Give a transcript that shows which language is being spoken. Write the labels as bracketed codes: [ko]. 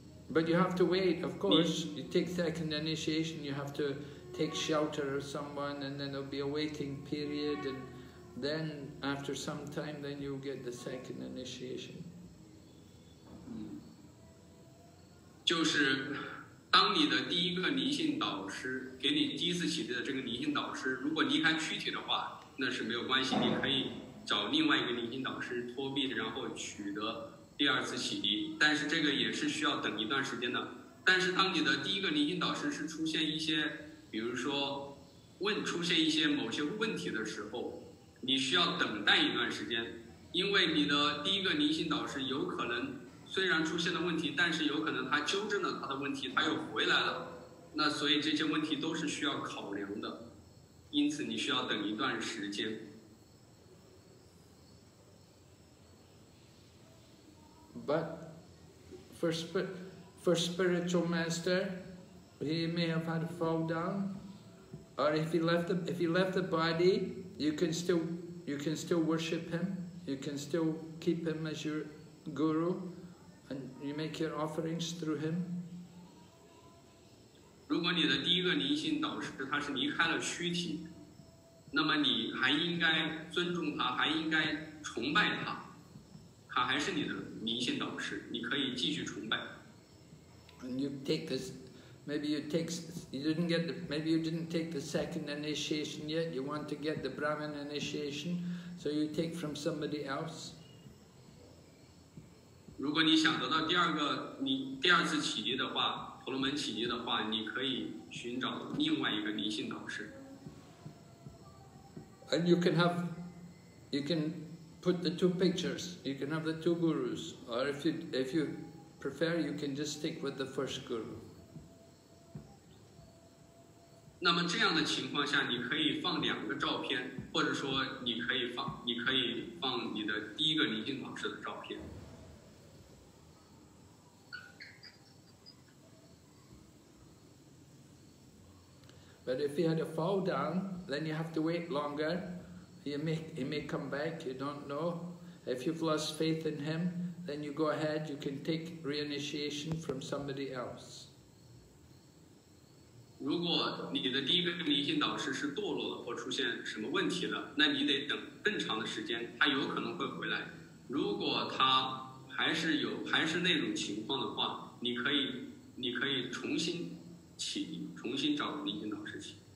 [en] But you have to wait, of course. You take second initiation, you have to take shelter of someone, and then there'll be a waiting period, and then after some time, then you'll get the second initiation. [zh] 就是当你的第一个灵性导师给你第一次启迪的这个灵性导师如果离开躯体的话那是没有关系你可以找另外一个灵性导师脱壁然后取得第二次启迪但是这个也是需要等一段时间的但是当你的第一个灵性导师是出现一些比如说出现一些某些问题的时候你需要等待一段时间因为你的第一个灵性导师有可能虽然出现了问题但是有可能他纠正了他的问题他又回来了那所以这些问题都是需要考量的因此你需要等一段时间 [en] But for spiritual master he may have had a fall down or if he left the body you can still worship him you can still keep him as your guru And you make your offerings through him. [zh] 如果你的第一个灵性导师他是离开了躯体，那么你还应该尊重他，还应该崇拜他。他还是你的灵性导师，你可以继续崇拜。 [en] And you take this, maybe you didn't take the second initiation yet. You want to get the Brahman initiation, so you take from somebody else. [zh] 如果你想得到第二次启迪的话，婆罗门启迪的话，你可以寻找另外一个灵性导师。 [en] And you can put the two pictures. You can have the two gurus, or if you prefer, you can just stick with the first guru. [zh] 那么这样的情况下，你可以放两个照片，或者说你可以放你的第一个灵性导师的照片。 [en] But if he had a fall down, then you have to wait longer. He may come back, you don't know. If you've lost faith in him, then you go ahead, you can take reinitiation from somebody else. [zh] 如果你的第一个灵性导师是堕落了或出现什么问题了，那你得等更长的时间，他有可能会回来。如果他还是那种情况的话，你可以重新重新找灵性导师起。